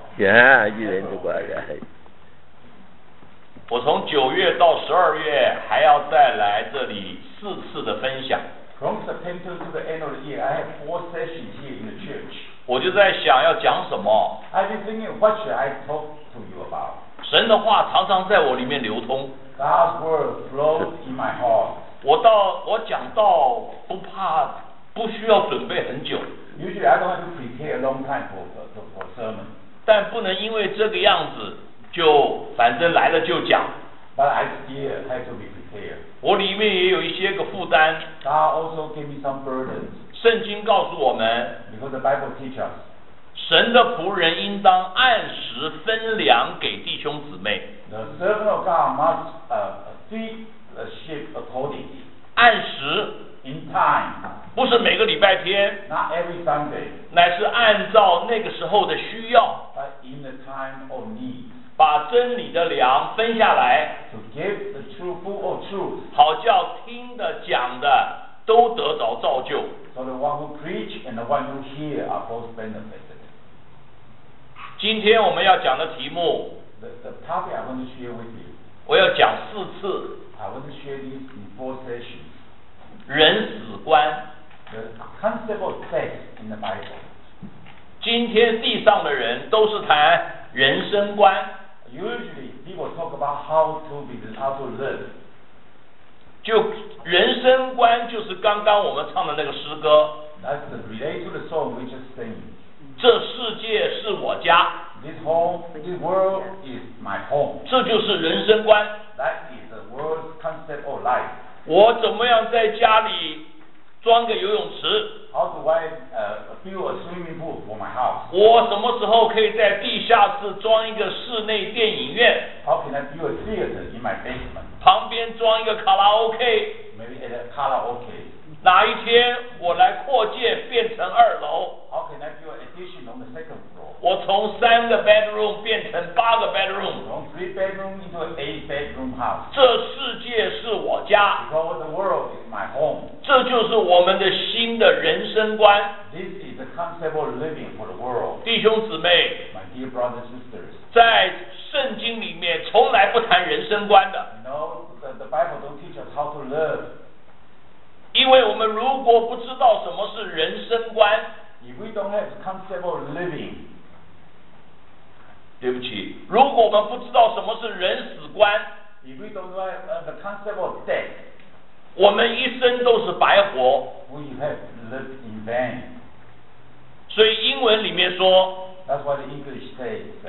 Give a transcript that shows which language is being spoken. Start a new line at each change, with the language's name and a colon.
Chinese: 呀、yeah, 一年就过来。我从九月到十二月还要再来这里四次的分享。
English: From September to the end of the year, I have four sessions here in the church.
Chinese: 我就在想要讲什么。
English: I've been thinking, what should I talk to you about?
Chinese: 神的话常常在我里面流通。
English: God's word flows in my heart.
Chinese: 我讲到不怕，不需要准备很久。
English: Usually I don't have to prepare a long time for sermon.
Chinese: 但不能因为这个样子就反正来了就讲。
English: But I still have to be prepared.
Chinese: 我里面也有一些个负担。
English: God also gave me some burdens.
Chinese: 圣经告诉我们。
English: Because the Bible teaches us.
Chinese: 神的仆人应当按时分粮给弟兄姊妹。
English: The servant of God must feed the sheep accordingly.
Chinese: 按时。
English: In time.
Chinese: 不是每个礼拜天。
English: Not every Sunday.
Chinese: 乃是按照那个时候的需要。
English: But in the time of need.
Chinese: 把真理的粮分下来
English: to give the true food of truth,
Chinese: 好叫听的讲的都得着造就
English: so the one who preach and the one who hear are both benefited.
Chinese: 今天我们要讲的题目
English: the topic I want to share with you,
Chinese: 我要讲四次
English: I want to share this in four sessions.
Chinese: 人死观
English: the concept of death in the Bible.
Chinese: 今天地上的人都是谈人生观
English: Usually people talk about how to be, how to live
Chinese: 就人生观就是刚刚我们唱的那个诗歌
English: That's related to the song we just sing
Chinese: 这世界是我家
English: This home, this world is my home
Chinese: 这就是人生观
English: That is the world's concept of life
Chinese: 我怎么样在家里装个游泳池
English: How do I build a swimming pool for my house?
Chinese: 我什么时候可以在地下室装一个室内电影院
English: How can I build a theater in my basement?
Chinese: 旁边装一个卡拉 OK
English: Maybe at a karaoke
Chinese: 哪一天我来扩建变成二楼
English: How can I build an addition on the second floor?
Chinese: 我从三个 bedroom 变成八个 bedroom
English: From three bedroom into an eight bedroom house
Chinese: 这世界是我家
English: Because the world is my home
Chinese: 这就是我们的新的人生观
English: This is the concept of living for the world
Chinese: 弟兄姊妹
English: My dear brothers and sisters
Chinese: 在圣经里面从来不谈人生观的
English: No, the Bible don't teach us how to live
Chinese: 因为我们如果不知道什么是人生观
English: If we don't have the concept of living
Chinese: 对不起如果我们不知道什么是人死观
English: If we don't have the concept of death
Chinese: 我们一生都是白活
English: We have lived in vain
Chinese: 所以英文里面说
English: That's what the English says